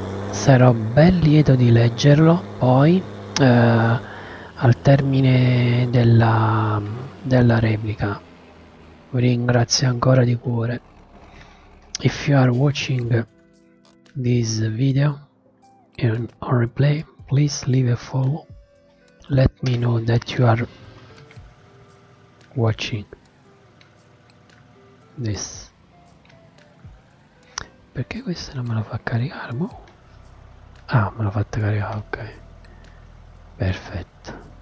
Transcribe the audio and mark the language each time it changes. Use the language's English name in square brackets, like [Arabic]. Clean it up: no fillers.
[Italian] Sarò ben lieto di leggerlo poi al termine della replica. Vi ringrazio ancora di cuore. [English] If you are watching this video in replay, please leave a follow. Let me know that you are watching this. [Italian] Perché questo non me lo fa caricare? Boh. Ah, me l'ho fatto caricare, ok. Perfetto.